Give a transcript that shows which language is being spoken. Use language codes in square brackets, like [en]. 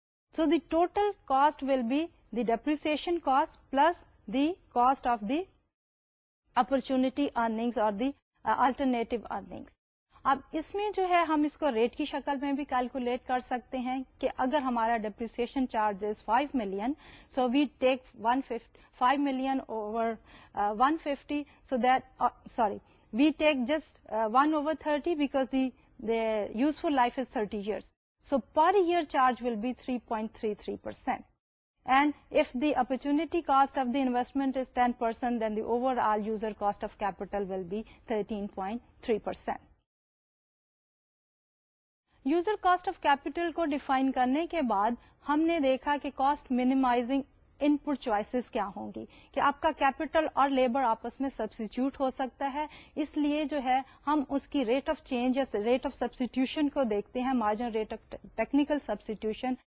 [en] So the total cost will be the depreciation cost plus the cost of the opportunity earnings or the alternative earnings. [ur] اب اس میں جو ہے ہم اس کو rate کی شکل میں بھی کیلکولیٹ کر سکتے ہیں کہ اگر ہمارا depreciation charge is 5 million [en] so we take 5 million over 150 so that sorry we take just 1 over 30 because the useful life is 30 years [ur] so per year charge will be 3.33%. [en] And if the opportunity cost of the investment is 10%, then the overall user cost of capital will be 13.3%. [ur] User cost of capital کو define کرنے کے بعد ہم نے دیکھا کہ cost minimising ان پٹ choices کیا ہوں گی. کہ آپ کا کیپیٹل اور لیبر آپس میں سبسٹیٹیوٹ ہو سکتا ہے, اس لیے جو ہے ہم اس کی ریٹ آف چینج یا ریٹ آف سبسٹیٹیوشن کو دیکھتے ہیں, margin rate of technical substitution.